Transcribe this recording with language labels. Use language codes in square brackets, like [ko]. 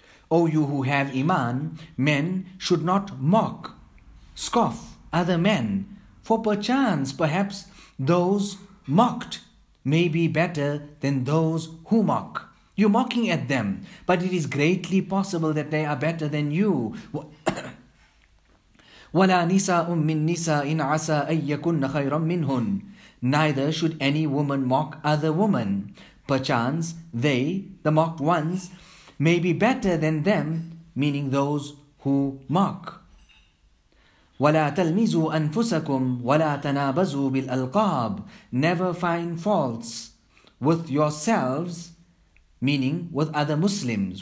[en] O you who have iman, men should not mock, scoff other men. For perchance, perhaps those mocked may be better than those who mock. You're mocking at them, but it is greatly possible that they are better than you. [ar] وَلَا نِسَاءٌ مِّن نِسَاءٍ عَسَىٰ أَيَّكُنَّ خَيْرًا مِّنْهُنْ [en] Neither should any woman mock other women. Perchance, they, the mocked ones, may be better than them, meaning those who mock. [ar] وَلَا تَلْمِزُوا أَنفُسَكُمْ وَلَا تَنَابَزُوا بِالْأَلْقَابِ [en] Never find faults with yourselves, meaning with other Muslims.